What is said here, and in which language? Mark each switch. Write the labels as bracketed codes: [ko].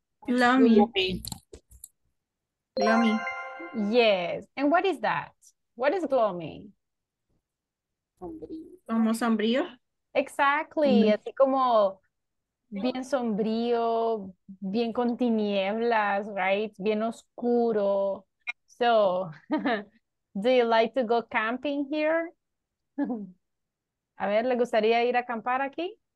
[en] Gloomy. Gloomy. Yes, and what is that? What is gloomy? [es] Como sombrío. Exactly, así como bien sombrío, bien con tinieblas, right? Bien oscuro. [en] So, do you like to go camping here? [es] A ver, ¿le gustaría ir a acampar aquí?